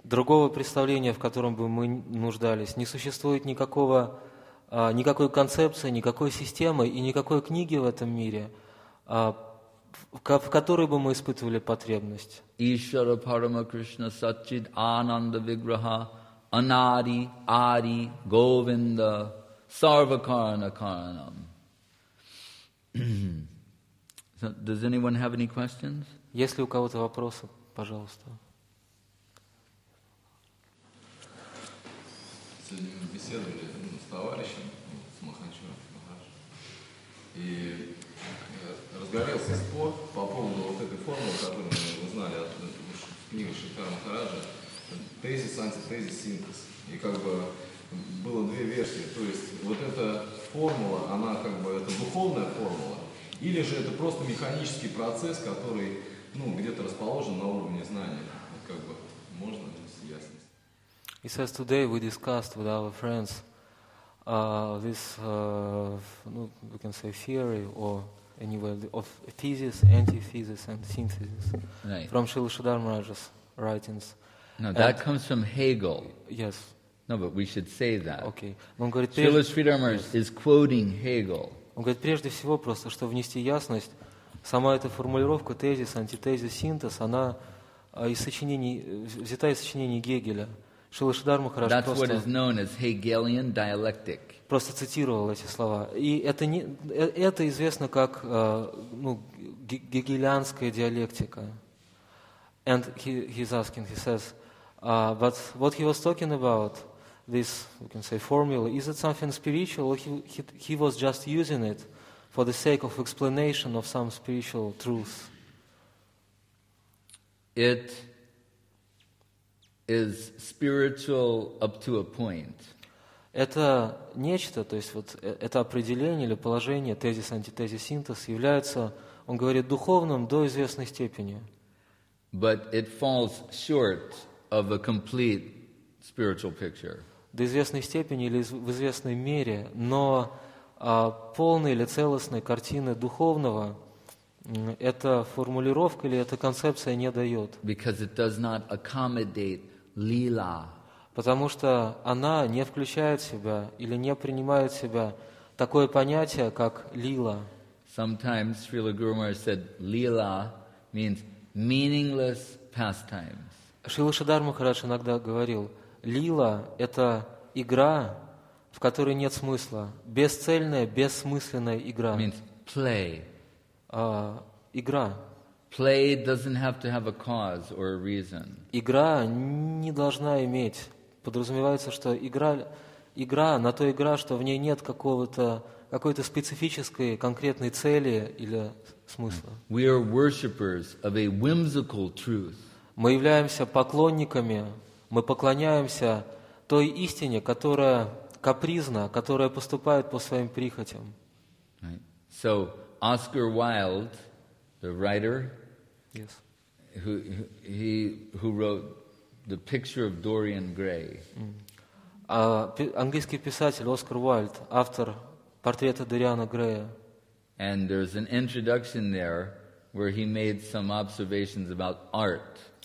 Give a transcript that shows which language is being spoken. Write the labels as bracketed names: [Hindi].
[Russian] Другого представления, в котором бы мы нуждались, не существует никакого, никакой концепции, никакой системы и никакой книги в этом мире, в которой бы мы испытывали потребность. [Sanskrit] Ishra Parama Krishna Satchit Ananda Vigraha Anadi Adi Govinda Sarvakarana Karanam. [English] So, does anyone have any questions? [Russian] Если у кого-то вопросы, пожалуйста. Сегодня мы беседовали с товарищем, с Махачом, и разгорелся спор по поводу вот этой формулы, которую мы узнали от книги Шанкара Махараджа, тезис, антитезис, синтез. И как бы было две версии. То есть вот эта формула, она как бы, это духовная формула, или же это просто механический процесс, который, ну, где-то расположен на уровне знания. Вот как бы можно с ясностью. [English] He says, today we discussed with our friends this, we can say theory or anywhere of thesis, antithesis, and synthesis right. from Srila Sridhar Maharaj's writings. Now that comes from Hegel. Yes. No, but we should say that. Okay. Srila Sridhar Maharaj is quoting Hegel. [Russian] Он говорит, прежде всего, просто, чтобы внести ясность, сама эта формулировка, тезис, антитезис, синтез, она из сочинений, взята из сочинений Гегеля. Шрила Сридхар Махарадж просто... [English] That's what is known as Hegelian dialectic. [Russian] Просто цитировал эти слова. И это, не, это известно как ну, гегелианская диалектика. [English] And he's asking, he says, but what he was talking about... This, we can say, formula, is it something spiritual, or he was just using it for the sake of explanation of some spiritual truth? It is spiritual up to a point. [Russian] Это нечто, то есть вот это определение или положение, тезис, антитезис, синтез, является, он говорит, духовным до известной степени. [English] But it falls short of a complete spiritual picture. [Russian] До известной степени или в известной мере, но полной или целостной картины духовного эта формулировка или эта концепция не дает. [English] Because it does not accommodate lila. [Russian] Потому что она не включает в себя или не принимает в себя такое понятие, как лила. [English] Sometimes Srila Guru Maharaj said, lila means meaningless pastimes. [Russian] Шрила Шридхар Махарадж иногда говорил, лила – это игра, в которой нет смысла. Бесцельная, бессмысленная игра. [English] Means play. [Russian] Игра. [English] Play doesn't have to have a cause or a reason. [Russian] Игра не должна иметь. Подразумевается, что игра на то игра, что в ней нет какой-то специфической, конкретной цели или смысла. [English] We are worshippers of a whimsical truth. [Russian] Мы являемся поклонниками. Мы поклоняемся той истине, которая капризна, которая поступает по своим прихотям. [English] Right. So, Oscar Wilde, the writer, yes. who wrote The Picture of Dorian Gray. Mm. [Russian] Английский писатель Оскар Уайльд, автор портрета Дориана Грея. [English] And there's an introduction there where he made some observations about art.